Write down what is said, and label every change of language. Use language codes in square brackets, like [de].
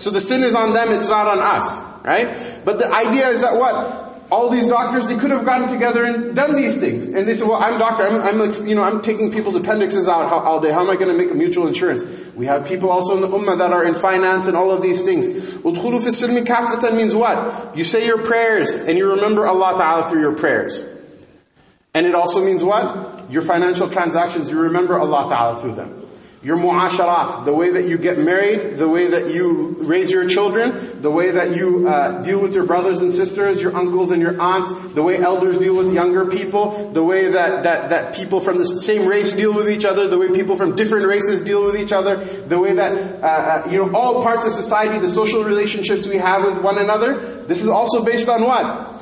[en] So the sin is on them, it's not on us. Right? But the idea is that what? All these doctors, they could have gotten together and done these things. And they said, well, I'm a doctor. I'm taking people's appendixes out all day. How am I going to make a mutual insurance? We have people also in the Ummah that are in finance and all of these things. [ar] وَدْخُلُوا فِي السِّلْمِ كَافَةً [en] means what? You say your prayers and you remember Allah Ta'ala through your prayers. And it also means what? Your financial transactions, you remember Allah Ta'ala through them. Your mu'asharat, the way that you get married, the way that you raise your children, the way that you deal with your brothers and sisters, your uncles and your aunts, the way elders deal with younger people, the way that people from the same race deal with each other, the way people from different races deal with each other, the way that all parts of society, the social relationships we have with one another, this is also based on what?